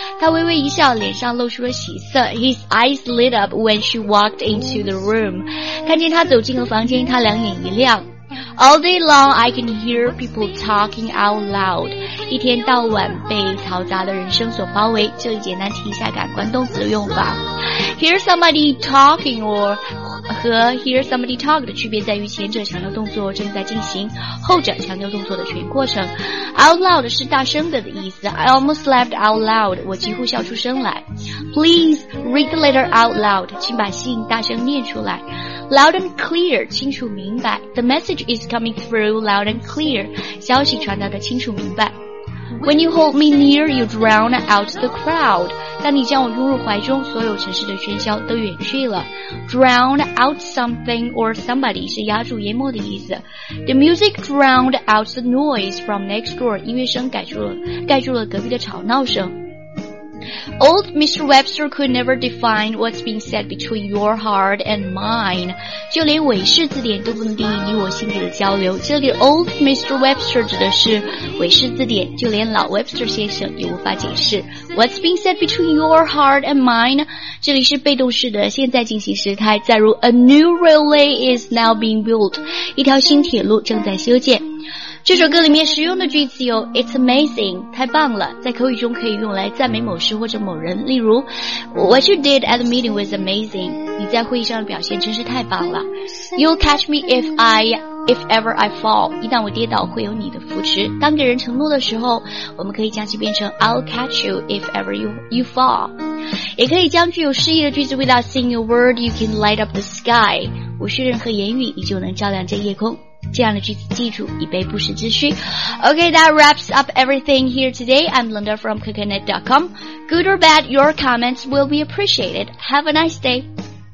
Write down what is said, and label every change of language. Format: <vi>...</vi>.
<zh>她微微一笑，脸上露出了喜色。</zh> <en>His eyes lit up when she walked into the room.</en> <zh>看见她走进了房间，她两眼一亮。</zh> <en>All day long, I can hear people talking out loud.</en> <zh>一天到晚被嘈杂的人声所包围。这里简单提一下感官动词的用法。</zh> <en>Hear somebody talking or</en> <zh>和</zh> <en>hear somebody talk</en> <zh>的区别在于前者强调动作正在进行，后者强调动作的全过程。</zh> <en>Out loud</en> <zh>是大声的意思。</zh> <en>I almost laughed out loud.</en> <zh>我几乎笑出声来。</zh> <en>Please read the letter out loud.</en> <zh>请把信大声念出来。</zh> <en>Loud and clear,</en> <zh>清楚明白。</zh> <en>The message is coming through loud and clear.</en> <zh>消息传达的清楚明白。</zh> <en>When you hold me near, you drown out the crowd.</en> <zh>当你将我拥入怀中，所有城市的喧嚣都远去了。</zh> <en>Drown out something or somebody</en> <zh>是压住淹没的意思。</zh> <en>The music drowned out the noise from next door.</en> <zh>音乐声盖住了隔壁的吵闹声。</zh> <en>Old Mr. Webster could never define what's being said between your heart and mine.</en> <zh>就连韦氏字典都不能定义你我心底的交流。这里 Old Mr. Webster 指的是韦氏字典，就连老 Webster 先生也无法解释。</zh> <en>What's being said between your heart and mine?</en> <zh>这里是被动式的现在进行时态，再如</zh> <en>A new railway is now being built.</en> <zh>一条新铁路正在修建。这首歌里面实用的句子有</zh> <en>It's amazing,</en> <zh>太棒了，在口语中可以用来赞美某事或者某人，例如</zh> <en>What you did at the meeting was amazing,</en> <zh>你在会议上的表现真是太棒了。</zh> <en>You'll catch me if ever I fall,</en> <zh>一旦我跌倒会有你的扶持。当给人承诺的时候，我们可以将其变成</zh> <en>I'll catch you if ever you fall。</en> <zh>也可以将具有诗意的句子</zh> <en>Without saying a word, you can light up the sky,</en> <zh>无需任何言语，你就能照亮这夜空。这样的句子记住，以备不时之需。</zh> <en>OK, that wraps up everything here today. I'm Linda from coconut.com. Good or bad, your comments will be appreciated. Have a nice day.</en>